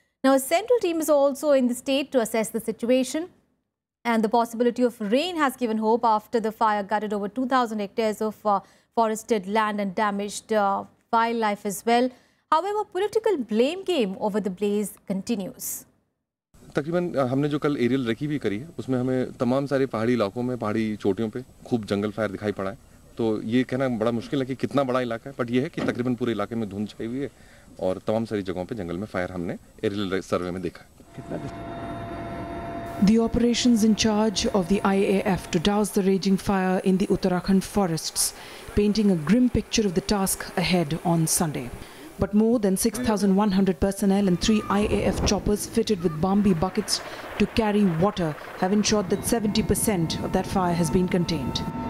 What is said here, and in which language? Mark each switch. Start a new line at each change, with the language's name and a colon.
English: Now, a central team is also in the state to assess the situation. And the possibility of rain has given hope after the fire gutted over 2,000 hectares of forested land and damaged wildlife as well. However, political blame game over the blaze continues.
Hindi: तकरीबन हमने जो कल aerial recce भी करी है उसमें हमें तमाम सारे पहाड़ी इलाकों में पहाड़ी चोटियों पे खूब जंगल फायर दिखाई पड़ा है तो ये कहना बड़ा मुश्किल है कि कितना बड़ा इलाका है बट ये है कि तकरीबन पूरे इलाके में धुंध छाई हुई है और तमाम सारी जगहों पे जंगल में फायर हमने एरियल सर्वे में देखा है
English: The operations in charge of the IAF to douse the raging fire in the Uttarakhand forests painting a grim picture of the task ahead on Sunday But more than 6,100 personnel and three IAF choppers fitted with Bambi buckets to carry water have ensured that 70% of that fire has been contained.